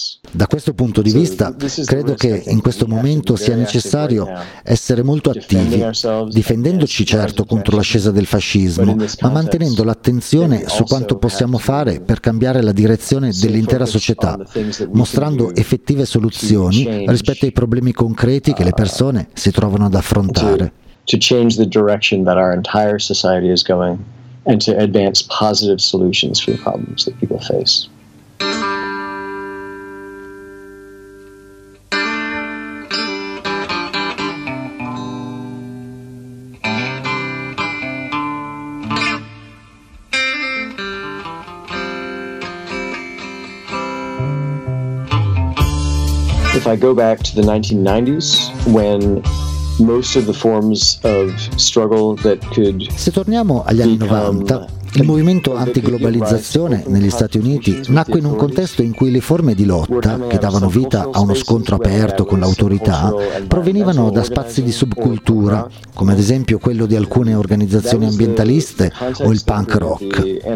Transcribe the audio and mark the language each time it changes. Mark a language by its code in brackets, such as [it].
[it] Da questo punto di vista, credo che in questo momento sia necessario essere molto attivi, difendendoci certo contro l'ascesa del fascismo, ma mantenendo l'attenzione su quanto possiamo fare per cambiare la direzione dell'intera società, mostrando effettive soluzioni rispetto ai problemi concreti che le persone si trovano ad affrontare. [en] To change the direction that our entire society is going and to advance positive solutions for the problems that people face. If I go back to the 1990s, when most of the forms of struggle that could [it] Se torniamo agli anni 90, il movimento antiglobalizzazione negli Stati Uniti nacque in un contesto in cui le forme di lotta, che davano vita a uno scontro aperto con l'autorità, provenivano da spazi di subcultura, come ad esempio quello di alcune organizzazioni ambientaliste o il punk rock.